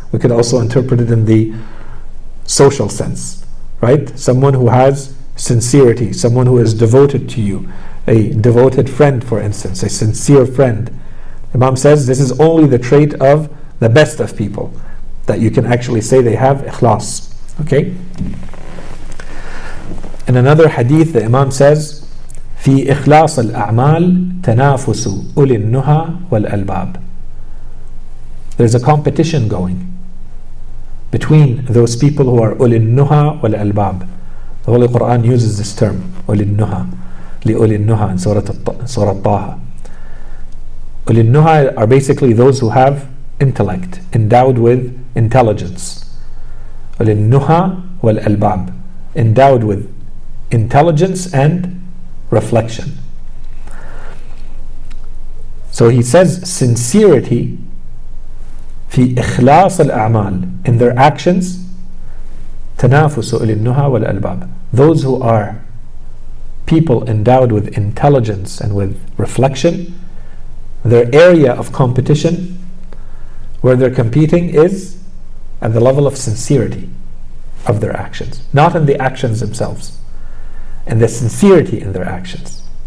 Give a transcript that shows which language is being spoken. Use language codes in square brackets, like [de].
[en] We could also interpret it in the social sense. Right? Someone who has sincerity, someone who is devoted to you, a devoted friend, for instance, a sincere friend. Imam says this is only the trait of the best of people, that you can actually say they have ikhlas. Okay? In another hadith, the Imam says, [ar] في إخلاص الأعمال تنافس أولي النهى والألباب. [en] There's a competition going between those people who are [ar] أولي النهى والألباب. [en] The Holy Quran uses this term, [ar] أولي النهى, لأولي النهى [en] in Surah Taha. أولي النهى are basically those who have intellect, endowed with intelligence. أولي النهى والألباب, endowed with intelligence and reflection. So he says sincerity [ar] في إخلاص الأعمال, [en] in their actions, [ar] تنافس إلى النهى والألباب. [en] Those who are people endowed with intelligence and with reflection, their area of competition where they're competing is at the level of sincerity of their actions, not in the actions themselves, and the sincerity in their actions.